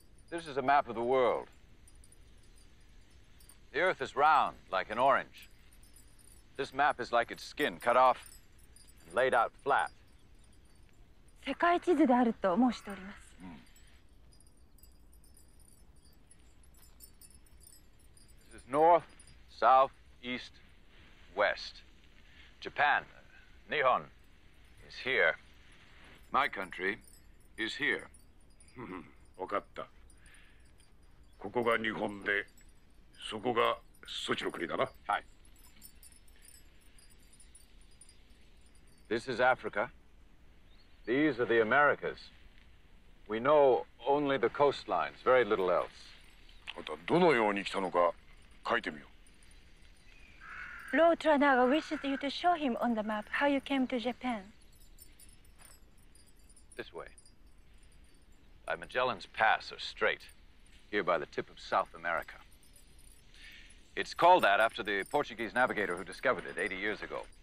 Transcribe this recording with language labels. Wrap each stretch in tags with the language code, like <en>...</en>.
<en>This is a map of the world. The earth is round, like an orange. This map is like its skin, cut off and laid out flat.</en> <ja>世界地図であると申しております。</ja> <en>This is north, south, east, west. Japan, Nihon, is here. My country is here.</en> <ja>わかった。ここが日本で、そこがそちの国だな。はい。</ja> <en>This is Africa. These are the Americas. We know only the coastlines, very little else.</en> <ja>またどのように来たのか書いてみよう。</ja> <en>Lord Toranaga wishes you to show him on the map how you came to Japan. This way. By Magellan's Pass or Strait. Here by the tip of South America. It's called that after the Portuguese navigator who discovered it 80 years ago.</en>